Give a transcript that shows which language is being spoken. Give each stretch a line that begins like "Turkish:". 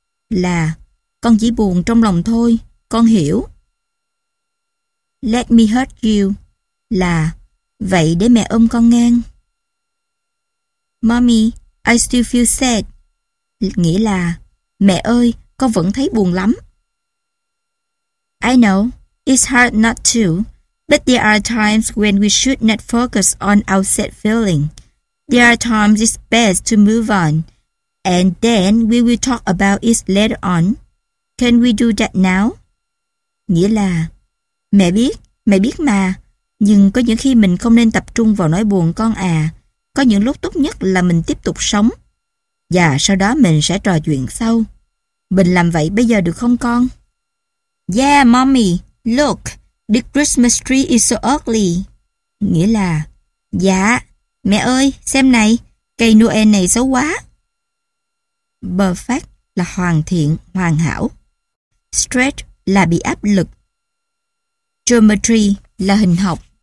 Vietnamese: Là con chỉ buồn trong lòng thôi, con hiểu.
English: Let me hurt you.
Vietnamese: Là vậy để mẹ ôm con ngang.
English: Mommy, I still feel sad.
Vietnamese: Nghĩa là mẹ ơi, con vẫn thấy buồn lắm.
English: I know, it's hard not to, but there are times when we should not focus on our sad feeling. There are times it's best to move on, and then we will talk about it later on. Can we do that now?
Vietnamese: Nghĩa là, mẹ biết mà, nhưng có những khi mình không nên tập trung vào nỗi buồn con à. Có những lúc tốt nhất là mình tiếp tục sống, và sau đó mình sẽ trò chuyện sau. Mình làm vậy bây giờ được không con?
English: Yeah, Mommy, look, the Christmas tree is so ugly.
Vietnamese: Nghĩa là, dạ, mẹ ơi, xem này, cây Noel này xấu quá. Perfect là hoàn thiện, hoàn hảo. Stretch là bị áp lực. Geometry là hình học.